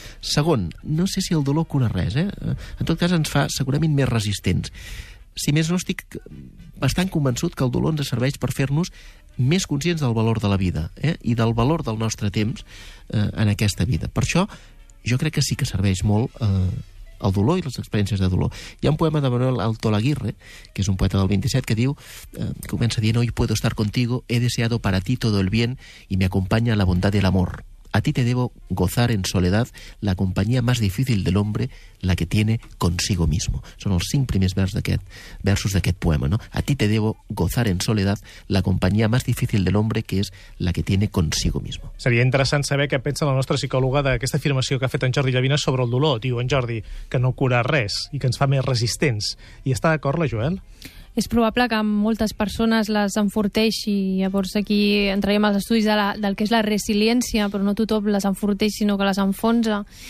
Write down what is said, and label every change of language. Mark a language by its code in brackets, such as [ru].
[ca] Segon, no sé si el dolor cura res, En tot cas, ens fa segurament més resistents. Si més no, estic bastant convençut que el dolor ens serveix per fer-nos més conscients del valor de la vida, i del valor del nostre temps en aquesta vida. Per això, jo crec que sí que serveix molt el dolor i les experiències de dolor. Hi ha un poema de Manuel Alto Laguirre, que és un poeta del 27, que diu, comença dient: [es] hoy puedo estar contigo, he deseado para ti todo el bien y me acompaña la bondad y el amor. A ti te debo gozar en soledad la compañía más difícil del hombre, la que tiene consigo mismo. [ca] Són els 5 primers versos d'aquest poema, no? [es] A ti te debo gozar en soledad la compañía más difícil del hombre, [ca] que és [es] la que tiene consigo mismo. [ca] Seria interessant saber què pensa la nostra psicòloga d'aquesta afirmació que ha fet en Jordi Llavina sobre el dolor. Diu en Jordi que no cura res i que ens fa més resistents. I està d'acord la Joel? És probable que moltes persones les enforteixi, llavors aquí entraiem als estudis del que és la resiliència, però no tothom les enforteix, sinó que les enfonsa.